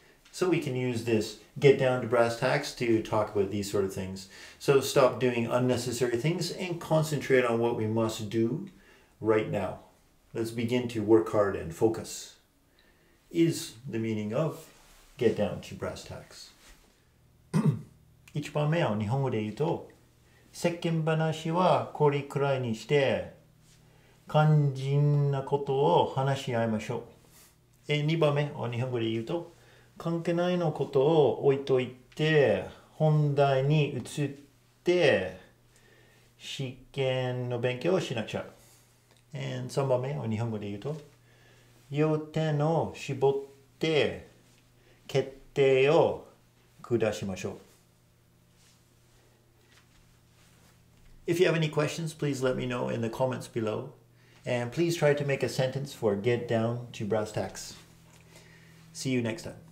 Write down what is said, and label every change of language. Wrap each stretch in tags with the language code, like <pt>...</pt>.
<en>So we can use this get down to brass tacks to talk about these sort of things. So stop doing unnecessary things and concentrate on what we must do right now. Let's begin to work hard and focus is the meaning of get down to brass tacks.</en> <ja>一番目は日本語で言うと、世間話はこれくらいにして肝心なことを話し合いましょう。二番目は日本語で言うと、関係ないのことを置いといて本題に移って試験の勉強をしなくちゃ。</ja> <en>And</en> <ja>3番目を日本語で言うと、要点を絞って決定を下しましょう。</ja> <en>If you have any questions, please let me know in the comments below. And please try to make a sentence for get down to brass tacks. See you next time.</en>